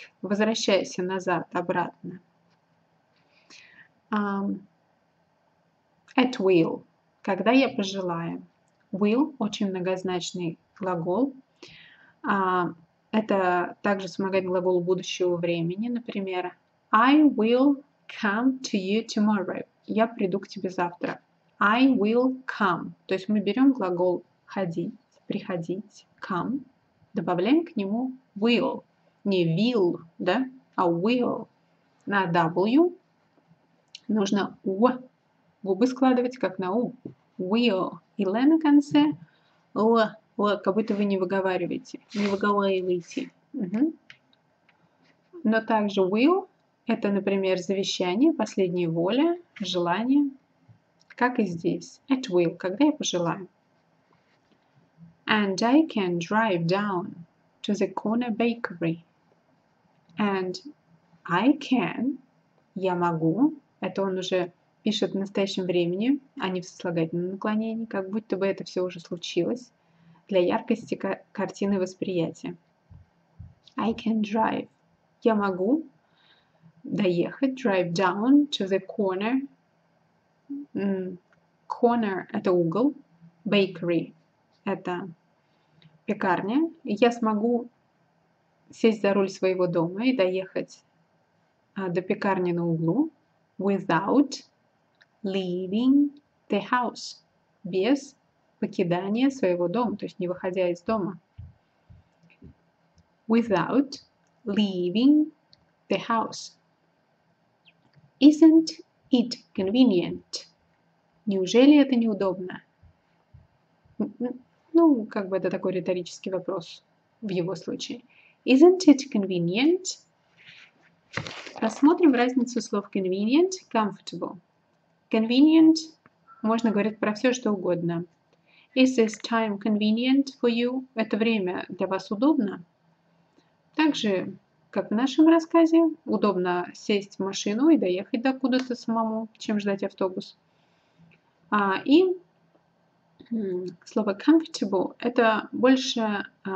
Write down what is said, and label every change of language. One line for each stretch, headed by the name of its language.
Russian: Возвращайся назад, обратно. At will. Когда я пожелаю. Will – очень многозначный глагол. Это также вспомогательный глагол будущего времени.
English: Например, I will come to you tomorrow.
Russian: Я приду к тебе завтра.
English: I will come.
Russian: То есть мы берем глагол ходить, приходить, come. Добавляем к нему will. Не will, да, а will. На W нужно W. Губы складывать, как на U. Will. И L на конце. L. L. Как будто вы не выговариваете. Не выговариваете. Угу. Но также will – это, например, завещание, последняя воля, желание. Как и здесь.
English: At will.
Russian: Когда я пожелаю.
English: And I can drive down to the corner bakery. And I can,
Russian: я могу, это он уже пишет в настоящем времени, а не в сослагательном наклонении, как будто бы это все уже случилось, для яркости картины восприятия.
English: I can drive,
Russian: я могу доехать,
English: drive down to the corner.
Russian: Corner – это угол, bakery – это пекарня, я смогу сесть за руль своего дома и доехать до пекарни на углу
English: without leaving the house,
Russian: без покидания своего дома, то есть не выходя из дома.
English: Without leaving the house. Isn't it convenient?
Russian: Неужели это неудобно? Ну, как бы это такой риторический вопрос в его случае.
English: Isn't it convenient?
Russian: Рассмотрим разницу слов
English: convenient, comfortable.
Russian: Convenient можно говорить про все, что угодно.
English: Is this time convenient for you?
Russian: Это время для вас удобно? Также, как в нашем рассказе, удобно сесть в машину и доехать докуда-то самому, чем ждать автобус. И слово comfortable – это больше...